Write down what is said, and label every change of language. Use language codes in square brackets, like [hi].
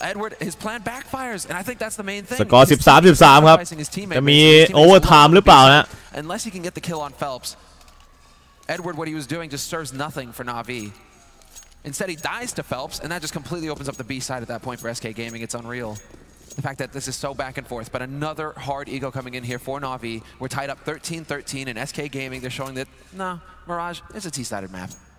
[en] Edward, his plan backfires, and I think that's the main thing. Score 13-13, ครับ. [th] จะมี overtime หรือเปล่านะ? [en] Unless he can get the kill on Phelps, Edward, what he was doing just serves nothing for Na'Vi. Instead, he dies to Phelps, and that just completely opens up the B side at that point for SK Gaming. It's unreal. The fact that this is so back and forth, but another hard ego coming in here for Na'Vi. We're tied up 13-13, and SK Gaming, they're showing that, nah, Mirage, it's a T-sided map.